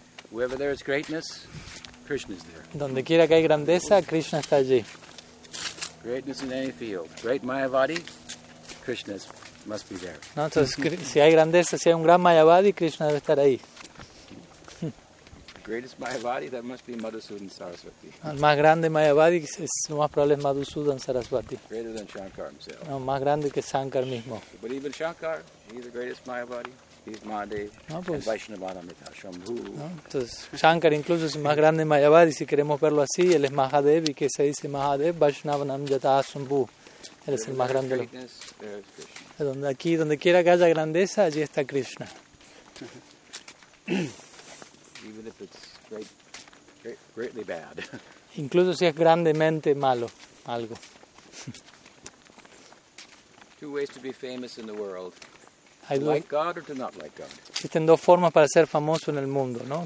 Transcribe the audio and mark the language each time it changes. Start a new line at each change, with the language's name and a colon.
English: Wherever there is greatness, Krishna is there.
Spanish: Donde quiera que hay grandeza, Krishna está allí.
English: Greatness in any field. Great Mayavadi, Krishna must be there.
Spanish: ¿No? Entonces, si hay grandeza, si hay un gran Mayavadi, Krishna debe estar ahí.
English: Greatest Mayavadi, that must be Madhusudan Saraswati.
Spanish: El más grande Mayavadi es lo más probable es Madhusudan Saraswati.
English: Greater than Shankar himself.
Spanish: No, más grande que Shankar mismo.
English: But even Shankar, he's the greatest Mayavadi. He's Mahadev.
Spanish: No, pues.
English: And Vaishnavanamita, Shambhu.
Spanish: No, entonces, Shankar incluso es el más grande Mayavadi, si queremos verlo así, él es Mahadev, y que se dice Mahadev, Vaishnavanamita, Shambhu. Él es el más grande. Donde quiera que haya grandeza, allí está Krishna.
English: Even if it's greatly bad.
Spanish: Incluso si es grandemente malo, algo.
English: Two ways to be famous in the world. To like God or to not like God.
Spanish: Existen dos formas para ser famoso en el mundo, ¿no?